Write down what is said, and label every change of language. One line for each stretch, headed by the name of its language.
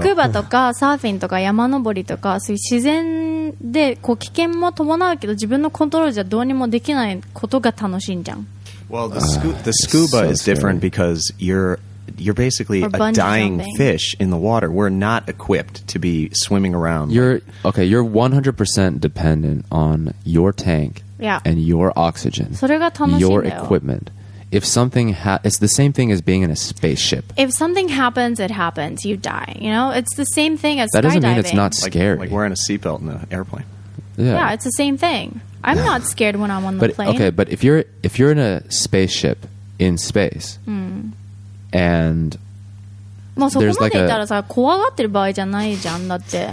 Japanese: スクーバとかサーフィンとか山登りとかそういう自然でこう危険も伴うけど自分のコントロールじゃどうにもできないことが楽しいんじゃん。
English: Well, the scuba is different because you're basically a dying fish in the water. We're not equipped to be swimming around. You're 100% dependent on your tank yeah. and your oxygen,
Japanese: それが楽しいんだよ
English: your equipment. if something it's the same thing as being in a spaceship. If something happens, it happens. You die. You know, it's the same thing as skydiving. That doesn't mean it's not scary. Like wearing a seatbelt in an airplane. Yeah. Yeah, it's the same thing. I'm not scared when I'm on but, the plane. Okay, but if you're in a spaceship in space, and there's like a...
Japanese: まあそこまで行ったらさ、怖がってる場合じゃないじゃん、だって。